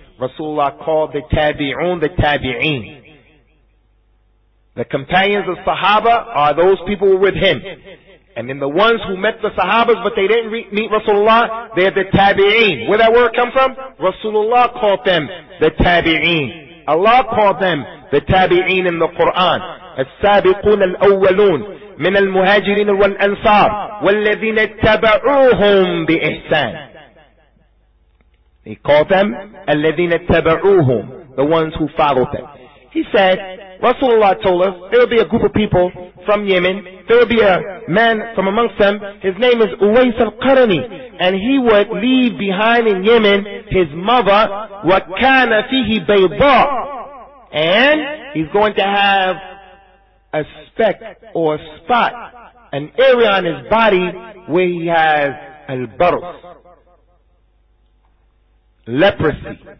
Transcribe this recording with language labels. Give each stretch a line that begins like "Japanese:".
English: Rasulullah called the Tabi'un the Tabi'een. The companions of Sahaba are those people with him. And then the ones who met the Sahabas, but they didn't meet Rasulullah, they're the Tabi'een. Where that word come from? Rasulullah called them the Tabi'een. Allah called them the Tabi'een in the Quran.
Arabic: السابقون الأولون من المهاجرين والأنصار والذين اتبعوهم بإحسان.
English: He called them
Arabic: الذين اتبعوهم,
English: the ones who followed them. He said, Rasulullah told us, there will be a group of people from Yemen, there will be a man from amongst them, his name is Uwais al-Qarni, and he would leave behind in Yemen his mother,
Arabic: وَكَانَ فِيهِ بَيْضَى,
English: and he's going to have a speck or a spot, an area on his body where he has al-barf, leprosy.